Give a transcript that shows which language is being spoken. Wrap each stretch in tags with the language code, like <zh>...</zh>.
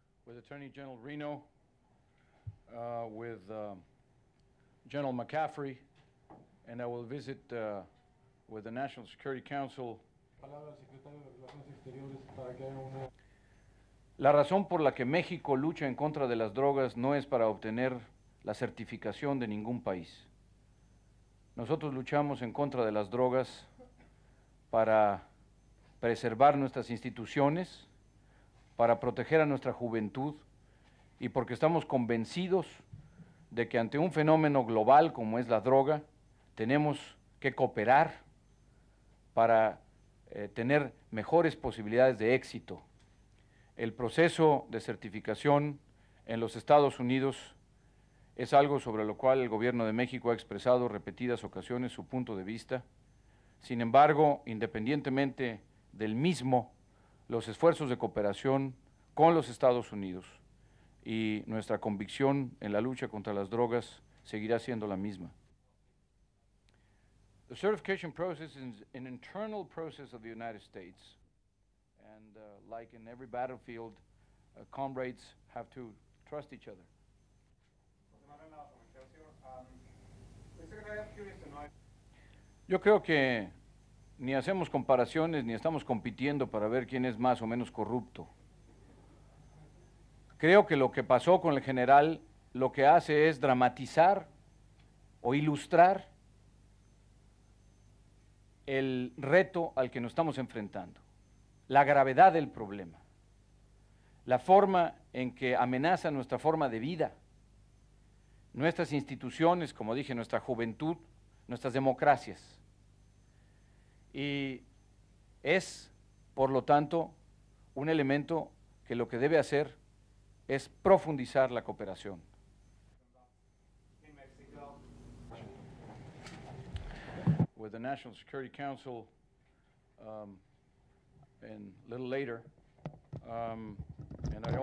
<en>with Attorney General Reno, with General McCaffrey, and I will visit with the National Security Council.</en> <es>La razón por la que México lucha en contra de las drogas no es para obtener la certificación de ningún país. Nosotros luchamos en contra de las drogas para preservar nuestras instituciones, para proteger a nuestra juventud y porque estamos convencidos de que ante un fenómeno global como es la droga, tenemos que cooperar para tener mejores posibilidades de éxito. El proceso de certificación en los Estados Unidos es algo sobre lo cual el gobierno de México ha expresado repetidas ocasiones su punto de vista. Sin embargo, independientemente del mismo, los esfuerzos de cooperación con los Estados Unidos y nuestra convicción en la lucha contra las drogas seguirá siendo la misma.</es> <en>The certification process is an internal process of the United States. And like in every battlefield, comrades have to trust each other.</en> <es>Yo creo que ni hacemos comparaciones ni estamos compitiendo para ver quién es más o menos corrupto. Creo que lo que pasó con el general lo que hace es dramatizar o ilustrar el reto al que nos estamos enfrentando, la gravedad del problema, la forma en que amenaza nuestra forma de vida, nuestras instituciones, como dije, nuestra juventud, nuestras democracias. Y es, por lo tanto, un elemento que lo que debe hacer es profundizar la cooperación.</es> <en>With the National Security Council, and a little later, and I also</en>